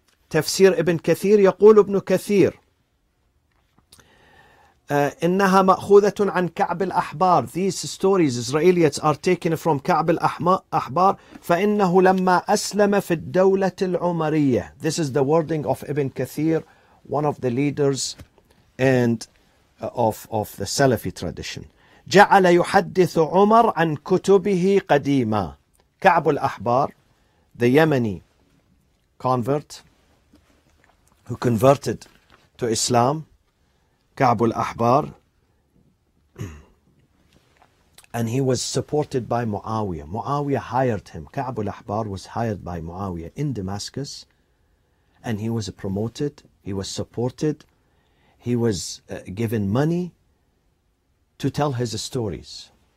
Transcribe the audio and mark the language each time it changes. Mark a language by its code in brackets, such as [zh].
[ar] Tafsir Ibn Kathir, يقول ابن كثير إنها مأخوذة عن كعب الأحبار. [en] These stories, Israelites, are taken from كعب الأحبار. [ar] فإنه لما أسلم في الدولة العمرية. [en] This is the wording of Ibn Kathir, one of the leaders and of the Salafi tradition. [ar] جعل يحدث عمر عن كتبه قديما. [en] كعب الأحبار, the Yemeni convert who converted to Islam. كعب الأحبار, and he was supported by Muawiyah. Muawiyah hired him. كعب الأحبار was hired by Muawiyah in Damascus, and he was promoted, he was supported, he was given money to tell his stories.